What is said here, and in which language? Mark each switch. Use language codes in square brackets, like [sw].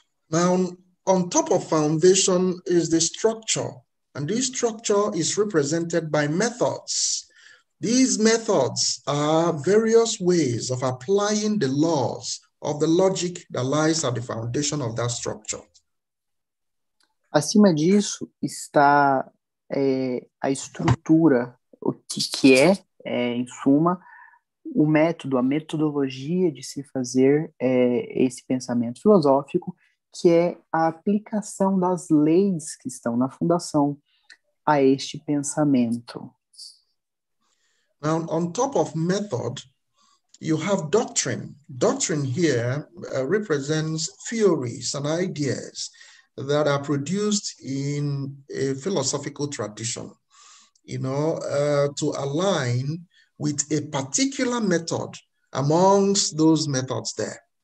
[en] Now, on top of foundation is the structure, And this structure is represented by methods. These methods are various ways of applying the laws of the logic that lies at the foundation of that structure. [pt] Acima disso está a estrutura, o que é, em suma, o método, a metodologia de se fazer esse pensamento filosófico, que é a aplicação das leis que estão na fundação a este pensamento. [en] Now, on top of method, you have doctrine. Doctrine here represents theories and ideas that are produced in a philosophical tradition, you know, to align with a particular method amongst those methods there.